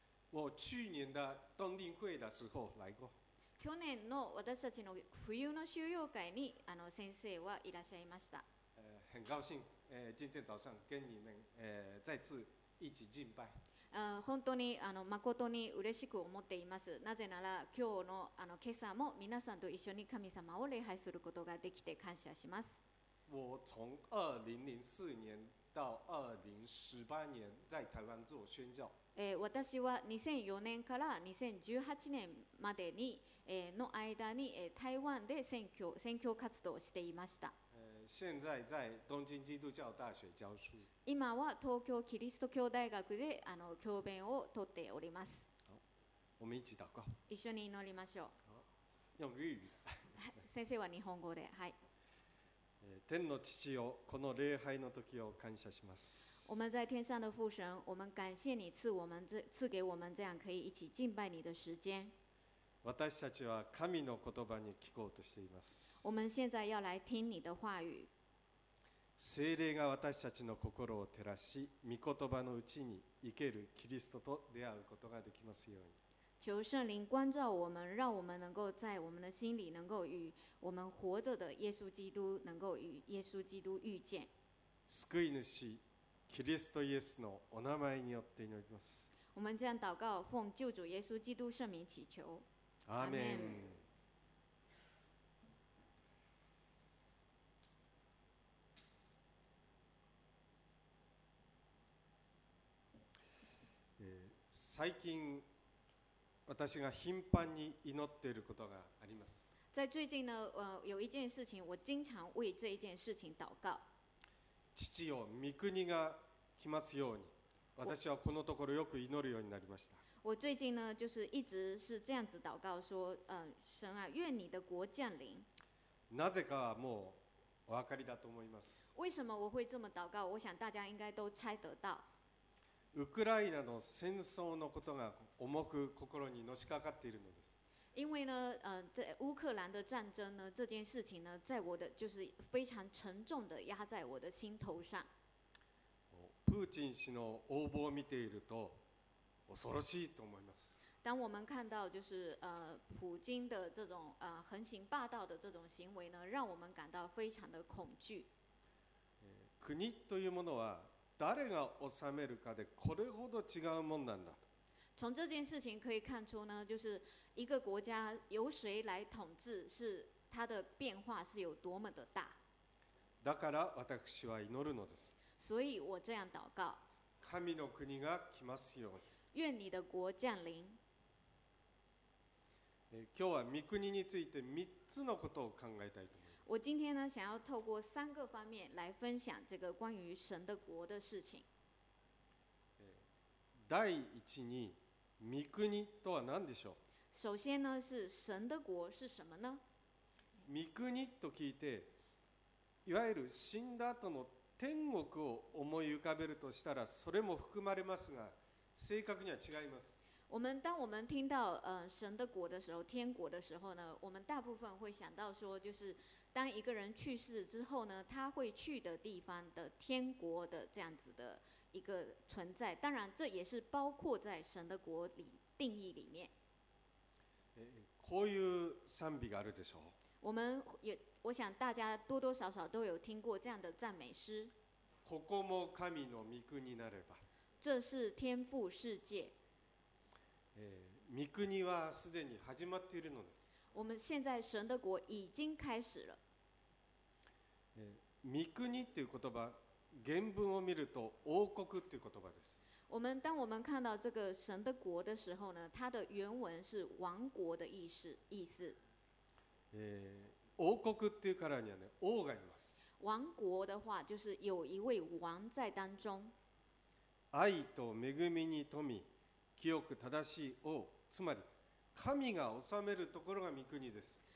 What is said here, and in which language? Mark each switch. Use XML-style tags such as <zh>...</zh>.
<zh>我去年的冬令会的时候来过。</zh> <ja>去年の私たちの冬の修養会に先生はいらっしゃいました。</ja> <zh>很高兴，今天早上跟你们，再次一起敬拜。</zh> <ja>本当に誠に嬉しく思っています。なぜなら今日の今朝も皆さんと一緒に神様を礼拝することができて感謝します。</ja> <zh>我从2004年到2018年在台湾做宣教。</zh> <ja>私は2004年から2018年までにの間に台湾で宣教活動をしていました。</ja> <zh>现在在东京基督教大学教书。</zh> <ja>今は東京キリスト教大学で教鞭を取っております。</ja> <zh>好，我们一起祷告。</zh> <ja>一緒に祈りましょう。</ja> <zh>好，用日语的。</zh> <ja>先生は日本語で。はい。天の父よ、この礼拝の時を感謝します。</ja> <zh>我们在天上的父神，我们感谢你赐给我们这样可以一起敬拜你的时间。</zh> <ja>私たちは神の言葉に聞こうとしています。</ja> <zh>我们现在要来听你的话语。</zh> <ja>聖霊が私たちの心を照らし、御言葉のうちに生けるキリストと出会うことができますように。</ja> <zh>求聖灵光照我们，让我们能够在我们的心里能够与我们活着的耶稣基督能够与耶稣基督遇见。</zh> <ja>救い主キリストイエスのお名前によって祈ります。</ja> <zh>我们这样祷告，奉救主耶稣基督圣名祈求。</zh> <ja>アーメン。最近私が頻繁に祈っていることがあります。</ja> <zh>在最近呢，有一件事情我经常为这一件事情祷告。</zh> <ja>父よ、御国が来ますように。私はこのところよく祈るようになりました。</ja> <zh>我最近呢，就是一直是这样子祷告说，神啊，愿你的国降临。</zh> <ja>なぜかはもうお分かりだと思います。</ja> <zh>为什么我会这么祷告？我想大家应该都猜得到。</zh> <ja>ウクライナの戦争のことが重く心にのしかかっているのです。</ja> <zh>因为呢，在乌克兰的战争呢，这件事情呢，在我的就是非常沉重的压在我的心头上。</zh> <ja>プーチン氏の横暴を見ていると。恐ろしいと思います。</ja> <zh>当我们看到就是普京的这种横行霸道的这种行为呢，让我们感到非常的恐惧。</zh> <ja>国というものは誰が治めるかでこれほど違うものなんだ。</ja> <zh>从这件事情可以看出呢，就是一个国家由谁来统治，是它的变化是有多么的大。</zh> <ja>だから私は祈るのです。</ja> <zh>所以我这样祷告。</zh> <ja>神の国が来ますように。</ja> <zh>愿你的国降临。</zh> <ja>今日は御国について三つのことを考えたいと思います。</ja> <zh>我今天呢，想要透过三个方面来分享这个关于神的国的事情。</zh> <ja>第一に御国とは何でしょう？</ja> <zh>首先呢，是神的国是什么呢？</zh> <ja>御国と聞いて、いわゆる死んだ後の天国を思い浮かべるとしたら、それも含まれますが。正確には違います。</ja> <zh>当我们听到神的国的时候，天国的时候呢，我们大部分会想到说，就是当一个人去世之后呢，他会去的地方的天国的这样子的一个存在。当然，这也是包括在神的国里定义里面。</zh> <ja>こういう賛美があるでしょう。</ja> <zh>我想大家多多少少都有听过这样的赞美诗。</zh> <ja>ここも神の御国なれば。</ja> <zh>这是天父世界。</zh> <ja>御国はすでに始まっているのです。</ja> <zh>我们现在神的国已经开始了。</zh> <ja>御国という言葉、原文を見ると王国という言葉です。</ja> <zh>当我们看到这个神的国的时候呢，它的原文是王国的意思。</zh> <ja>王国っていうからには、ね、王がいます。</ja> <zh>王国的话就是有一位王在当中。</zh> <ja>愛と恵みに富み清く正しい王、つまり神が治めるところが御国です。</ja>